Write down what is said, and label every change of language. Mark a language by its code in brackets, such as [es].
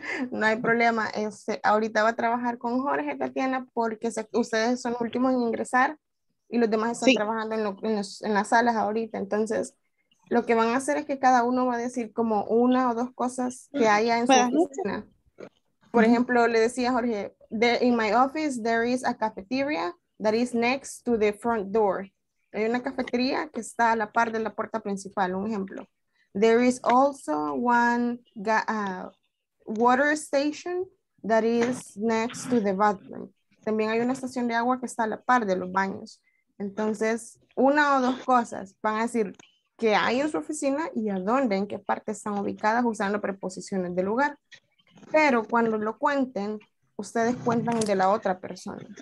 [es] No hay problema. Ahorita va a trabajar con Jorge, Tatiana, porque ustedes son los últimos en ingresar y los demás están trabajando en las salas ahorita. Entonces, lo que van a hacer es que cada uno va a decir como una o dos cosas que haya en su oficina. Por ejemplo, le decía Jorge, [en] in my office there is a cafeteria that is next to the front door. [es] Hay una cafetería que está a la par de la puerta principal, un ejemplo. [en] There is also one water station that is next to the bathroom. [es] También hay una estación de agua que está a la par de los baños. Entonces, una o dos cosas van a decir qué hay en su oficina y a dónde, en qué parte están ubicadas usando preposiciones de lugar. Pero cuando lo cuenten, ustedes cuentan de la otra persona.